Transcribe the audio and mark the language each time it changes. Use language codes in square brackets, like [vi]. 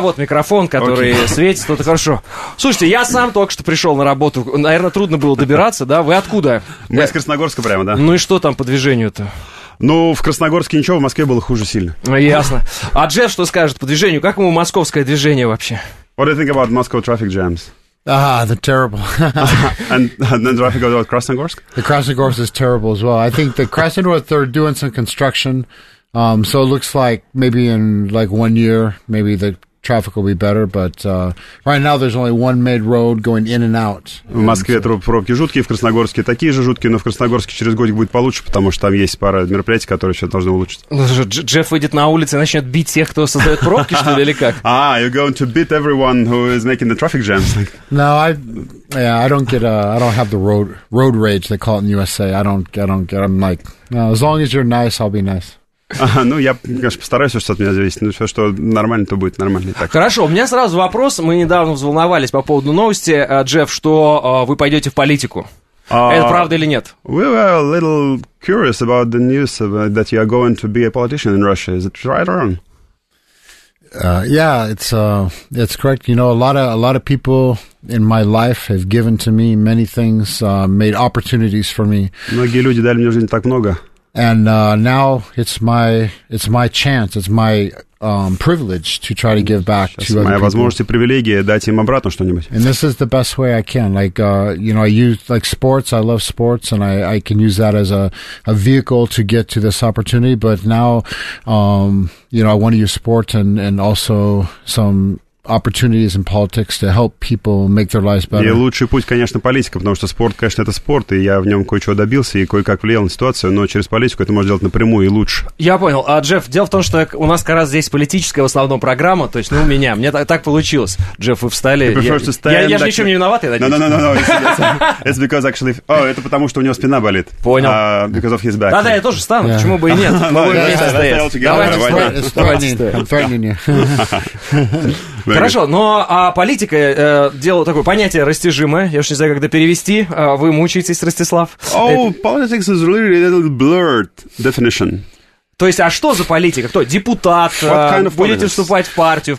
[ru] Вот микрофон, который светит. Вот и хорошо. Слушайте, я сам только что пришел на работу. Наверное, трудно было добираться, да? Вы откуда? Мы из Красногорска прямо, да. Ну и что там по движению-то? Ну, в Красногорске ничего, в Москве было хуже сильно. Ясно. А Джефф что скажет по движению? Как ему московское движение вообще? [en] What do you think about Moscow traffic jams? Ah, they're terrible. and then traffic goes out Krasnogorsk? The Krasnogorsk is terrible as well. I think the Krasnogorsk, they're doing some construction. So it looks like maybe in like 1 year, maybe the traffic will be better. But right now there's only one made road going in and out. [ru] В Москве пробки жуткие, в Красногорске такие же жуткие, но в Красногорске через годик будет получше, потому что там есть пара мероприятий, которые еще должны улучшить. Джефф выйдет на улицу и начнет бить тех, кто создает пробки, что ли, или как? [en] Ah, you're going to beat everyone who is making the traffic jams. No, I don't have the road rage, they call it in USA. I don't get, I'm like, no, as long as you're nice, I'll be nice. [ru] Ну, я, конечно, постараюсь, что от меня зависит. Но все, что нормально, то будет нормально и так. Хорошо, у меня сразу вопрос. Мы недавно взволновались по поводу новости, Джефф, что вы пойдете в политику. Это правда или нет? [en] We were a little curious about the news that you are going to be a politician in Russia. Is it right or wrong? Yeah, it's correct. You know, a lot of people in my life have given to me many things, made opportunities for me. [ru] Многие люди дали мне в жизни так много. [en] And now it's my chance, it's my privilege to try to give back to other people. [ru] Моя возможность и привилегия дать им обратно что-нибудь. [en] And this is the best way I can. Like, you know, I use, like, sports, I love sports, and I can use that as a vehicle to get to this opportunity. But now, you know, I want to use sport and also some opportunities in politics to help people make their lives better. [ru] И лучший путь, конечно, политика, потому что спорт, конечно, это спорт, и я в нем кое-чего добился и кое-как влиял на ситуацию, но через политику это можно делать напрямую и лучше. Я понял. А, Джефф, дело в том, что у нас как раз здесь политическая в основном программа, то есть, ну, у меня. Мне так получилось. Джефф, вы встали. Я же ничем не виноват, я надеюсь. [en] No. It's because actually... [ru] Oh, это потому, что у него спина болит. Понял. [en] Because of his back. [ru] Да-да, я тоже встану. [en] Yeah. [ru] Почему бы и нет? Мы будем вместе стоять. Давайте. Хорошо, но политика, дело такое, понятие растяжимое, я уж не знаю, как это перевести, вы мучаетесь, Ростислав. [en] Oh, politics is really a little blurred definition. [ru] То есть, а что за политика? Кто, депутат, [en] kind of [ru] будете вступать в партию в